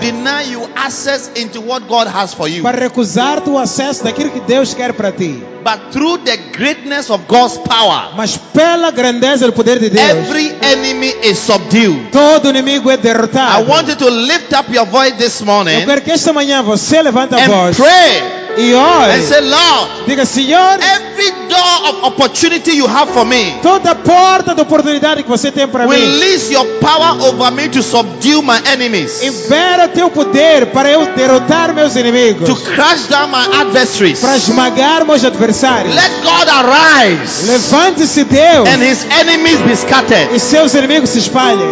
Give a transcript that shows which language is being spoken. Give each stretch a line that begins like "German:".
English: to deny you access into what God has for you,
Portuguese: para recusar o acesso daquilo que Deus quer para ti.
English: But through the greatness of God's power,
Portuguese: mas pela grandeza do poder de Deus,
English: every enemy is subdued.
Portuguese: Todo inimigo é derrotado.
English: I want you to lift up your voice this morning.
Portuguese: Eu quero que esta manhã você levanta a voz.
English: And pray.
Portuguese: E ore.
English: And say, Lord,
Portuguese: diga, Senhor,
English: every door of opportunity you have for me,
Portuguese: toda porta de oportunidade que você tem para mim,
English: release your power over me to subdue my enemies.
Portuguese: Libera teu poder para eu derrotar meus inimigos.
English: To crush down my adversaries.
Portuguese: Para esmagar meus adversários.
English: Let God arise.
Portuguese: Levante-se Deus.
English: And his enemies be scattered.
Portuguese: E seus inimigos se espalhem.